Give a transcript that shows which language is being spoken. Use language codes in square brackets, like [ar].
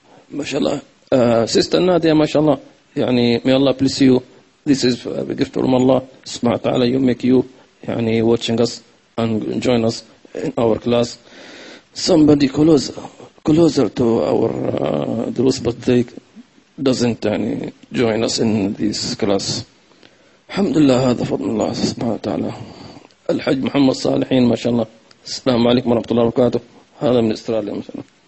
[ar] ما شاء الله، سيستر نادية ما شاء الله، يعني [en] may Allah bless you. This is a gift from Allah. [ar] سبحانه وتعالى [en] you make you يعني watching us and join us in our class. Somebody closer to our دروس but they doesn't يعني join us in this class. [ar] الحمد لله، هذا فضل الله سبحانه وتعالى. الحج محمد صالحين ما شاء الله، السلام عليكم ورحمة الله وبركاته، هذا من استراليا ما شاء الله.